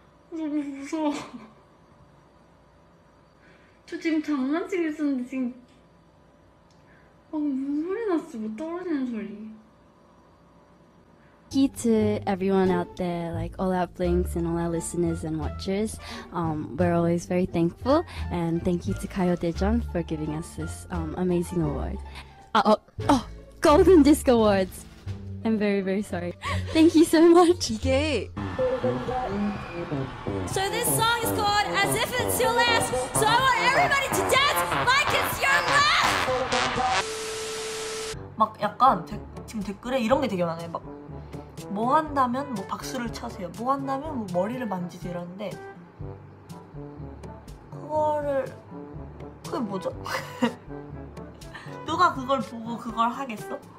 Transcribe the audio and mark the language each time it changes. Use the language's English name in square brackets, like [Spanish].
[Korean] 너무 무서워. 저 지금 장난치고 있었는데 지금 막 무슨 소리 났어? 뭐 떨어지는 소리. [English] To everyone out there, like all our blinks and all our listeners and watchers, we're always very thankful. And thank you to Kayo Daejeon for giving us this amazing award. Golden Disc Awards. I'm very, very sorry. Thank you so much. Yay. So this song is called As If It's Your Last. So I want everybody to dance like it's your last. [Korean] 막 약간 지금 댓글에 이런 게 되게 많아요. 막 뭐 한다면 뭐 박수를 쳐세요. 뭐 한다면 뭐 머리를 만지세요. 이러는데 그거를 그게 뭐죠? 누가 그걸 보고 그걸 하겠어?